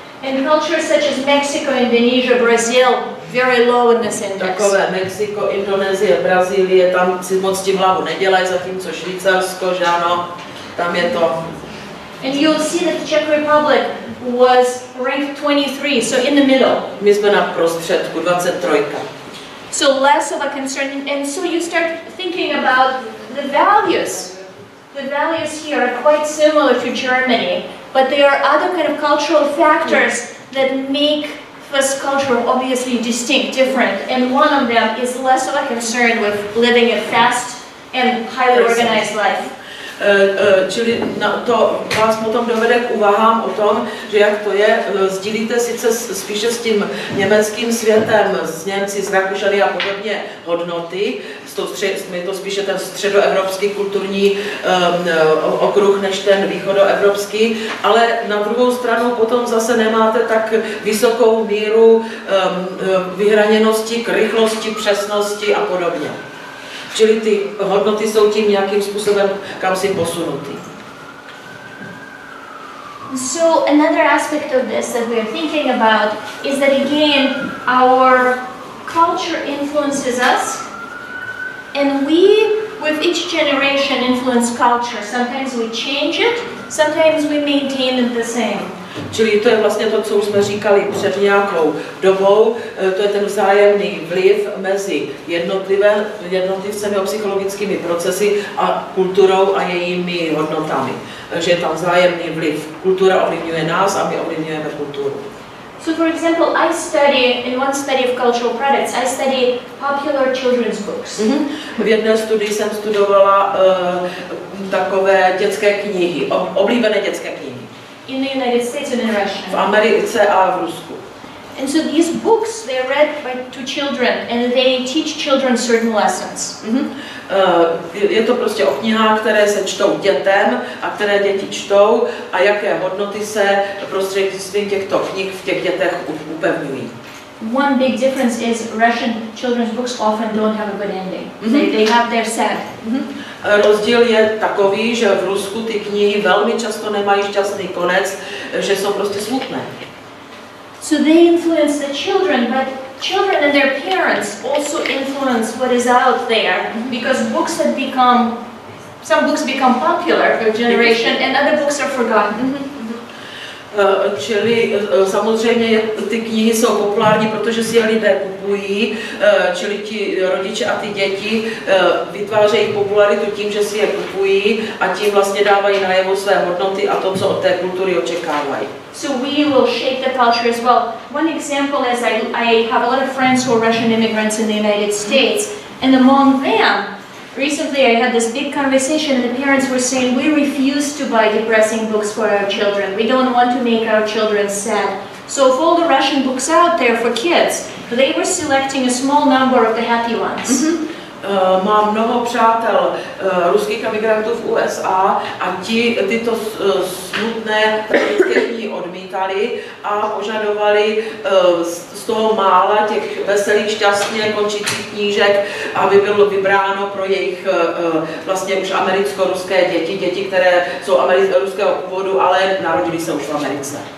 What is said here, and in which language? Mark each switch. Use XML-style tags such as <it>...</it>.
<en>And cultures such as Mexico, Indonesia, Brazil, very low in this index.</en> <cs>Takové Mexiko, Indonésie, Brazílie, tam si moc tím hlavu nedělají, zatímco Švýcarsko, že ano, tam je to.</cs> <en>And you'll see that the Czech Republic was ranked 23, so in the middle.</en> <cs>My jsme na prostředku, 23.</cs> <en>So less of a concern, and so you start thinking about the values. The values here are quite similar to Germany. But there are other kind of cultural factors that make this culture obviously distinct, different, and one of them is less of a concern with living a fast and highly organized life.</en> <cs>Čili to vás potom dovede k uvahám o tom, že jak to je, sdílíte sice spíše s tím německým světem, s Němci, s Rakušany a podobně hodnoty, je to spíše ten středoevropský kulturní okruh než ten východoevropský, ale na druhou stranu potom zase nemáte tak vysokou míru vyhraněnosti k rychlosti, přesnosti a podobně. Čili ty hodnoty jsou tím nějakým způsobem kam si posunuty.</cs> <en>So another aspect of this that we are thinking about is that again, our culture influences us, and we, with each generation, influence culture. Sometimes we change it, sometimes we maintain it the same.</en> <cs>Čili to je vlastně to, co už jsme říkali před nějakou dobou, to je ten vzájemný vliv mezi jednotlivcemi a psychologickými procesy a kulturou a jejími hodnotami. Že je tam vzájemný vliv. Kultura ovlivňuje nás a my ovlivňujeme kulturu.</cs> <en>So for example, I study in one study of cultural products, I study popular children's books.</en> <cs>V jedné studii jsem studovala takové dětské knihy, oblíbené dětské knihy.</cs> <en>In the United States and in Russia.</en> <cs>V Americe a v Rusku.</cs> <en>And so these books, they are read by two children and they teach children certain lessons.</en> <cs>Je to prostě o knihách, které se čtou dětem a které děti čtou a jaké hodnoty se prostřednictvím těchto knih v těch dětech upevňují.</cs> <en>One big difference is Russian children's books often don't have a good ending. They have their sad.</en> <cs>Rozdíl je takový, že v Rusku ty knihy velmi často nemají šťastný konec, že jsou prostě smutné.</cs> <en>So they influence the children, but children and their parents also influence what is out there, because books have become, some books become popular for a generation and other books are forgotten.</en> <cs>Čili samozřejmě ty knihy jsou populární, protože si je lidé kupují, čili ti rodiče a ty děti vytvářejí popularitu tím, že si je kupují a tím vlastně dávají najevo své hodnoty a to, co od té kultury očekávají.</cs> <en>So we will shape the culture as well. One example is I have a lot of friends who are Russian immigrants in the United States, and among them, recently I had this big conversation and the parents were saying we refuse to buy depressing books for our children. We don't want to make our children sad. So of all the Russian books out there for kids, they were selecting a small number of the happy ones.</en> <cs>Mám mnoho přátel ruských emigrantů v USA a ti tyto smutné knihy odmítali a požadovali z toho mála těch veselých, šťastně končících knížek, aby bylo vybráno pro jejich vlastně už americko-ruské děti, děti, které jsou ruského původu, ale narodili se už v Americe.</cs>